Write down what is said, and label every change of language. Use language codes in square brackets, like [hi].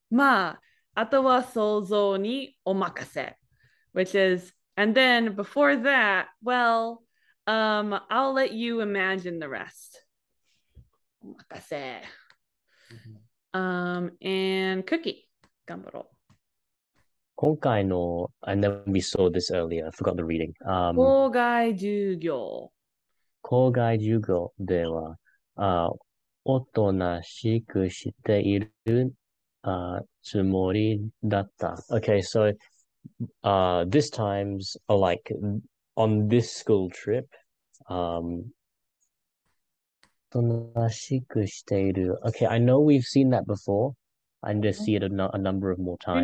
[ja] まあ、あとは想像にお任せ。 [en] Which is, and then before that, well, I'll let you imagine the rest. [ja] お任せ。 [en] And cookie. [ja] 頑張ろう。今回の、 [en] and then we saw this earlier, I forgot the reading. [ja] 校外授業。校外授業では、おとなしくしている。つもりだった。 [en] Okay, so this time's like on this school trip. [ja] おとなしくしている。 [en] Okay, I know we've seen that before. I just see it a number of more times.